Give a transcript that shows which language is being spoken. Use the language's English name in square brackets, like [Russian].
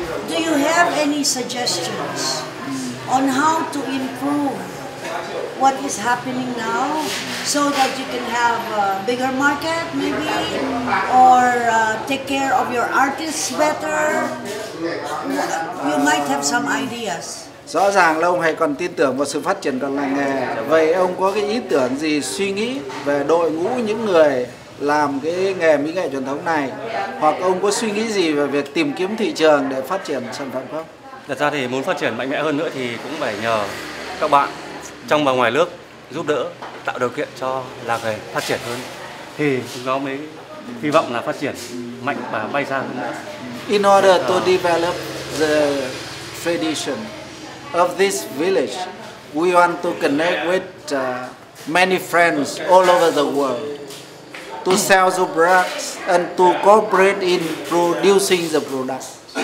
[English] Do you have any suggestions on how to improve what is happening now so that you can have a bigger market maybe, or take care of your artists better? You might have some ideas. [Vietnamese] Rõ ràng là ông hay còn tin tưởng vào sự phát triển của làng nghề. Vậy ông có cái ý tưởng gì, suy nghĩ về đội ngũ những người làm cái nghề mỹ nghệ truyền thống này? Hoặc ông có suy nghĩ gì về việc tìm kiếm thị trường để phát triển sản phẩm không? Thật ra thì muốn phát triển mạnh mẽ hơn nữa thì cũng phải nhờ các bạn trong và ngoài nước giúp đỡ, tạo điều kiện cho làng nghề phát triển hơn. Thì chúng nó mới hy vọng là phát triển mạnh và bay xa hơn nữa. [English] In order to develop the tradition of this village, we want to connect with many friends all over the world to sell the products and to cooperate in producing the products.